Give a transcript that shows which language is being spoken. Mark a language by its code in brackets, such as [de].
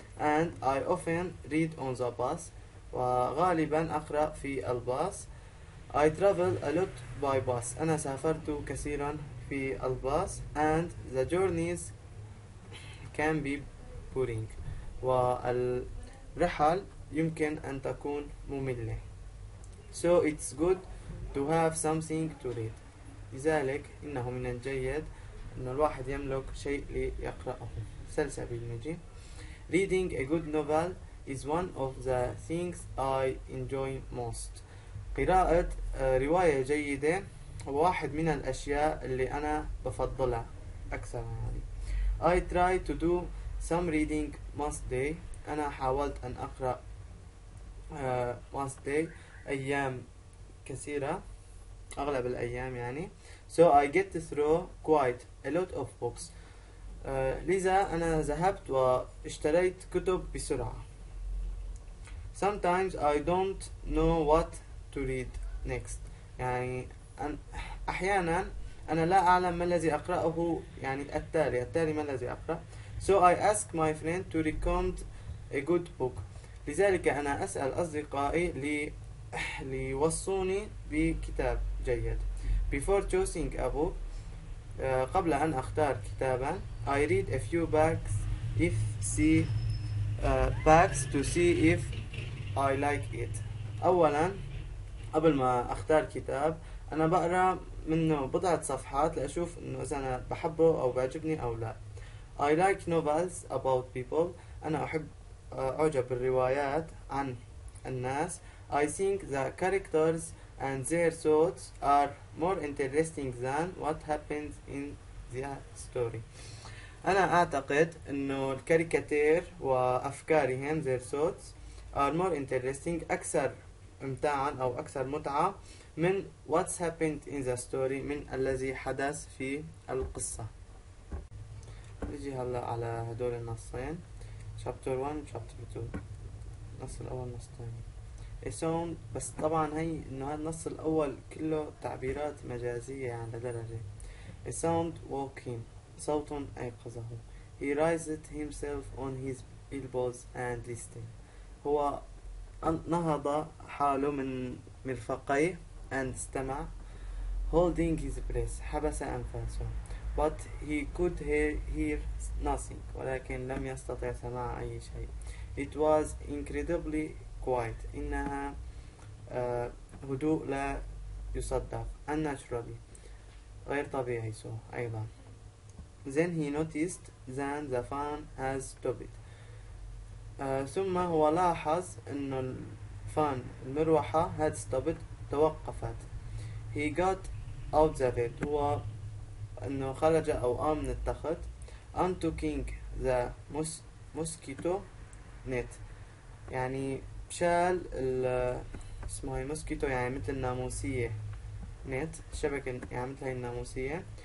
[en] And I often read on the bus. [ar] وغالبا أقرأ في الباص. [en] I travel a lot by bus. [ar] أنا سافرت كثيرا في الباص. [en] And the journeys can be boring. [ar] والرحل يمكن أن تكون مملة. [en] So it's good to have something to read. [ar] لذلك إنه من الجيد أن الواحد يملك شيء ليقرأه. [en] سلسبيل نجي. Reading a good novel is one of the things I enjoy most. [ar] قراءة رواية جيدة هو واحد من الأشياء اللي أنا بفضلها أكثر يعني. [en] I try to do some reading most day. [ar] أنا حاولت أن أقرأ [en] most day [ar] أيام كثيرة، أغلب الأيام يعني. [en] So I get through quite a lot of books. [ar] لذا أنا ذهبت واشتريت كتب بسرعة. [en] Sometimes I don't know what to read next. [ar] يعني أحيانا أنا لا أعلم ما الذي أقرأه يعني التالي ما الذي أقرأ. [en] So I ask my friend to recommend a good book. [ar] لذلك أنا أسأل أصدقائي ليوصوني بكتاب جيد. [en] Before choosing a book، [ar] قبل أن أختار كتابا، [en] I read a few books if see books to see if I like it. [ar] أولا قبل ما أختار كتاب أنا بقرأ منه بضعة صفحات لأشوف إنه إذا أنا بحبه أو بعجبني أو لا. [en] I like novels about people. [ar] أنا أحب أعجب بالروايات عن الناس. [en] I think the characters and their thoughts are more interesting than what happens in the story. [ar] أنا أعتقد إنه الكاريكاتير وأفكارهم [en] their thoughts are more interesting، [ar] أكثر إمتاعا أو أكثر متعة من [en] what's happened in the story، [ar] من الذي حدث في القصة. نجي هلا على هدول النصين، [en] chapter 1 chapter 2، [ar] النص الأول النص الثاني. بس طبعا هي انه هذا النص الاول كله تعبيرات مجازية يعني لدرجة. [en] A sound walking، [ar] صوت ايقظه. [en] He raised himself on his elbows and listened. [ar] هو نهض حاله من مرفقيه and استمع. [en] Holding his breath، [ar] حبس انفاسه. [en] But he could hear nothing، [ar] ولكن لم يستطع سماع اي شيء. [en] It was incredibly quiet، [ar] إنها هدوء لا يصدق. Unnaturally، غير طبيعي. سو أيضا. [en] Then he noticed that the fan has stopped. [ar] ثم هو لاحظ أن الفان المروحة [en] had stopped، [ar] توقفت. [en] He got out the bed، [ar] هو أنه خرج أو قام من التخت. [en] Untucking the mosquito net، [ar] يعني شال ال اسمه موسكيتو يعني مثل الناموسية نت، شبكة يعني مثل هاي الناموسية.